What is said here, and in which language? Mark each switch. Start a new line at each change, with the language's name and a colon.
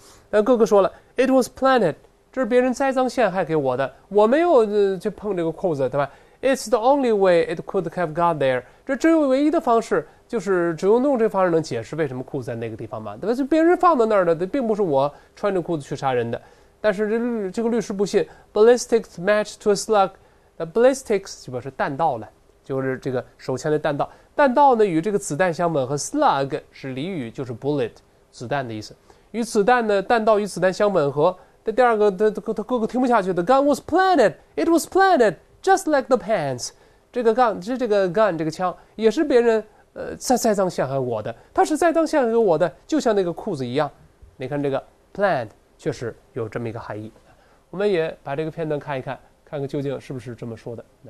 Chinese: 那哥哥说了 ，
English: It was planted，
Chinese: 这是别人栽赃陷害给我的，我没有去碰这个裤子，对吧 ？
English: It's the only way it could have got there，
Chinese: 这只有唯一的方式，就是只用弄这方式能解释为什么裤子在那个地方嘛，对吧？就别人放到那儿的，并不是我穿着裤子去杀人的。但是这个律师不信 ，
English: ballistics match to a slug，
Chinese: ballistics 就表示弹道了。就是这个手枪的弹道，弹道呢与这个子弹相吻，和 slug 是俚语，就是 bullet 子弹的意思。与子弹呢，弹道与子弹相吻合。这第二个，他哥哥听不下去。
English: The gun was planted, it was planted just like the pants。
Chinese: 这个 gun 是这个 gun 这个枪也是别人栽赃陷害我的，他是栽赃陷害我的，就像那个裤子一样。你看这个 plant 确实有这么一个含义。我们也把这个片段看一看，看看究竟是不是这么说的。